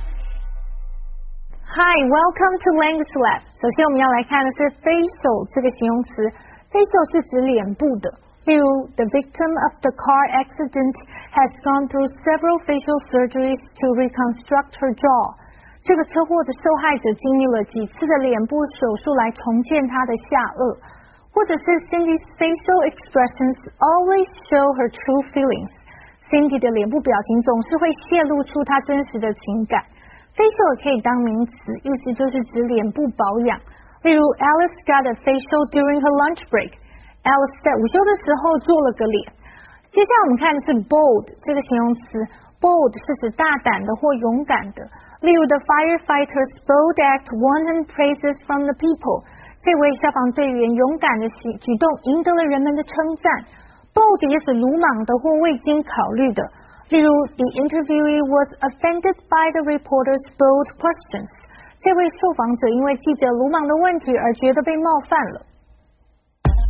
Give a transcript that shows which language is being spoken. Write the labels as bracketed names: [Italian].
[English] Hi, welcome to Language Lab. [Chinese] 首先我们要来看的是 facial 这个形容词。Facial 是指脸部的。 [English] 例如 the victim of the car accident has gone through several facial surgeries to reconstruct her jaw. [Chinese] 这个车祸的受害者经历了几次的脸部手术来重建她的下颚。 [English] 或者是 Cindy's facial expressions always show her true feelings. [Chinese] Cindy 的脸部表情总是会泄露出她真实的情感。 Facial 可以当名词，意思就是指脸部保养。 [English] 例如 Alice got a facial during her lunch break. Alice [Chinese] 在午休的时候做了个脸。接下来我们看的是 bold 这个形容词。Bold 是指大胆的或勇敢的。 [English] 例如 The firefighter's bold act won him praises from the people. [Chinese] 这位消防队员勇敢的举动赢得了人们的称赞。 Bold 也是鲁莽的或未经考虑的。 [English] 例如 The interviewee was offended by the reporter's bold questions. [Chinese] 这位受访者因为记者鲁莽的问题而觉得被冒犯了。